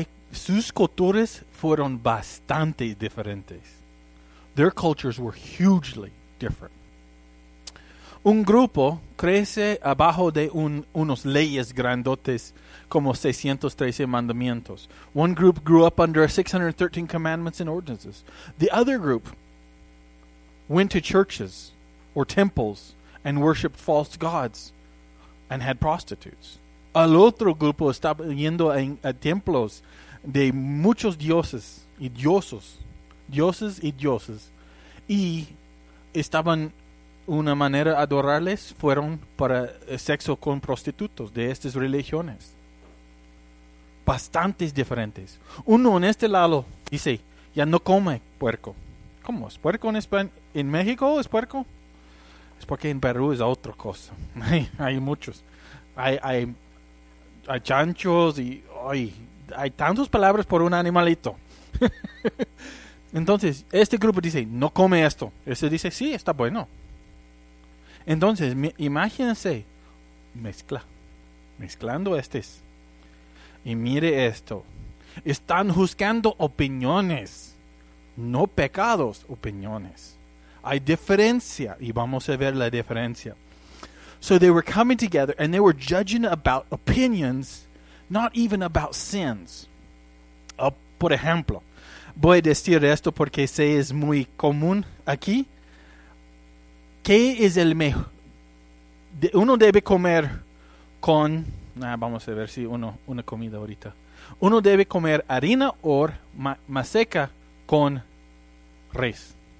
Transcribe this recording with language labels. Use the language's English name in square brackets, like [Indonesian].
[Spanish] Sus culturas fueron bastante diferentes. [English] Their cultures were hugely different. [Spanish] Un grupo crece abajo de unos leyes grandotes como 613 mandamientos. [English] One group grew up under 613 commandments and ordinances. The other group went to churches or temples and worshipped false gods and had prostitutes. [Spanish] Al otro grupo estaba yendo a templos de muchos dioses y estaban... Una manera de adorarles fueron para sexo con prostitutos de estas religiones. Bastantes diferentes. Uno en este lado dice, ya no come puerco. ¿Cómo? ¿Es puerco en España? ¿En México es puerco? Es porque en Perú es otra cosa. Hay muchos. Hay chanchos y hay tantas palabras por un animalito. Entonces, este grupo dice, no come esto. Este dice, sí, está bueno. Entonces, imagínense, mezclando estos, y mire esto, están juzgando opiniones, no pecados, opiniones. Hay diferencia, y vamos a ver la diferencia. [English] So they were coming together, and they were judging about opinions, not even about sins. [Spanish] Por ejemplo, voy a decir esto porque sé es muy común aquí. ¿Qué es el mejor? Uno debe comer con... vamos a ver si una comida ahorita. Uno debe comer harina o maseca con res.